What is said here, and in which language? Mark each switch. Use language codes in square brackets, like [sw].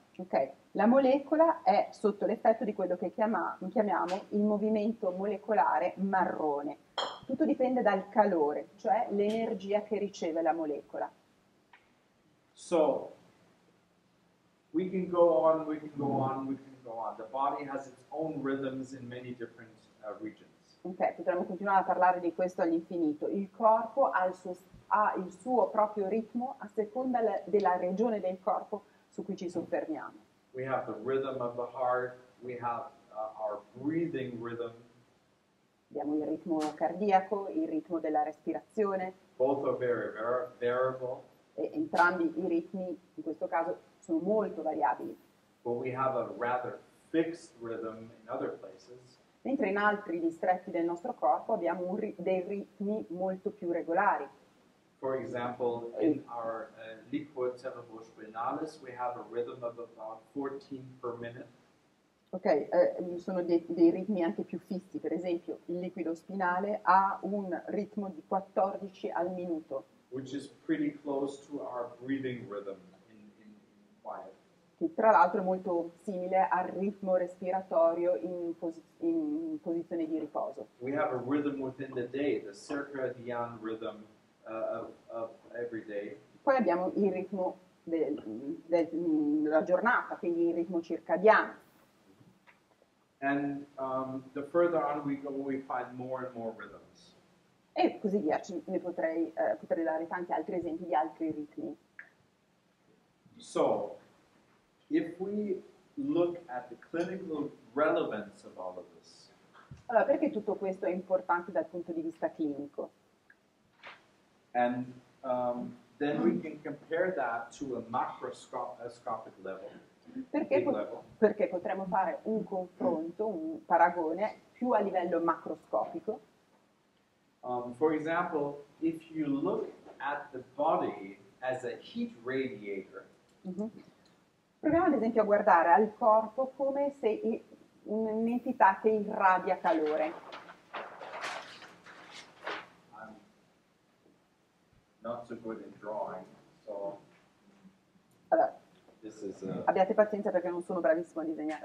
[it] Ok, la molecola è sotto l'effetto di quello che chiamiamo il movimento molecolare marrone. Tutto dipende dal calore, cioè l'energia che riceve la molecola. [en] So We can go on, we can go on, we can go on. The body has its own rhythms in many different regions. [it] Ok, potremmo continuare a parlare di questo all'infinito. Il corpo ha il suo proprio ritmo a seconda della regione del corpo su cui ci soffermiamo. [en] We have the rhythm of the heart, we have our breathing rhythm. [it] Abbiamo il ritmo cardiaco, il ritmo della respirazione. [en] Both are very, very variable. [it] E entrambi i ritmi, in questo caso, sono molto variabili. [en] But we have a rather fixed rhythm in other places. [it] Mentre in altri distretti del nostro corpo abbiamo dei ritmi molto più regolari. [en] For example, in our liquid cerebral spinalis, we have a rhythm of about 14 per minute. [it] Ok, sono dei ritmi anche più fissi. Per esempio, il liquido spinale ha un ritmo di 14 al minuto. [en] Which is pretty close to our breathing rhythm in quiet. [it] Che tra l'altro è molto simile al ritmo respiratorio in posizione di riposo. [en] We have a rhythm within the day, the circadian rhythm of every day. [it] Poi abbiamo il ritmo della giornata, quindi il ritmo circadiano. [en] And the further on we go, we find more and more rhythms. [it] E così via, ne potrei dare tanti altri esempi di altri ritmi. [en] So, if we look at the clinical relevance of all of this. [it] Allora, perché tutto questo è importante dal punto di vista clinico? [en] And then we can compare that to a macroscopic level. [it] Perché potremmo fare un confronto, un paragone più a livello macroscopico. [en] For example, if you look at the body as a heat radiator. [it] Proviamo ad esempio a guardare al corpo come se un'entità che irradia calore. [en] I'm not so good in drawing, so. This is [it] abbiate pazienza perché non sono bravissimo a disegnare.